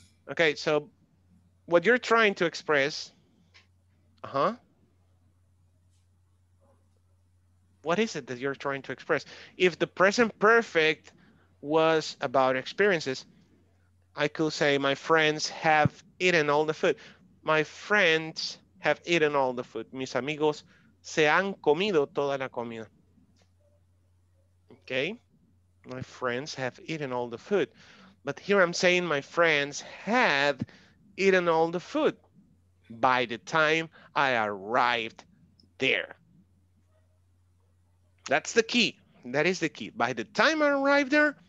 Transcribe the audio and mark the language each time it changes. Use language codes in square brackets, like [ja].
[en] Okay, so what you're trying to express. Uh-huh. What is it that you're trying to express? If the present perfect was about experiences, I could say my friends have eaten all the food. My friends have eaten all the food. [es] Mis amigos se han comido toda la comida. [en] Okay. My friends have eaten all the food. But here I'm saying my friends had eaten all the food by the time I arrived there. That's the key. That is the key. By the time I arrived there,